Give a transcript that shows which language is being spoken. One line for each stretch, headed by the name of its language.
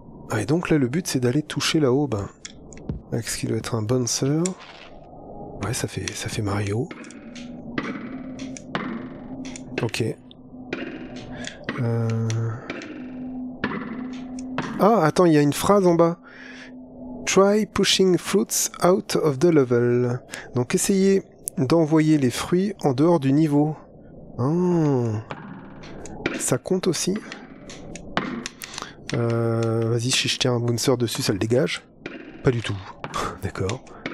French: Ah, et donc là, le but, c'est d'aller toucher là-haut, ben, avec ce qui doit être un bouncer. Ouais, ça fait Mario. Ok. Ah, attends, il y a une phrase en bas.
English: Try pushing fruits out of the level.
French: Donc, essayez d'envoyer les fruits en dehors du niveau. Oh. Ça compte aussi. Vas-y, si je tiens un bouncer dessus, ça le dégage. Pas du tout. D'accord.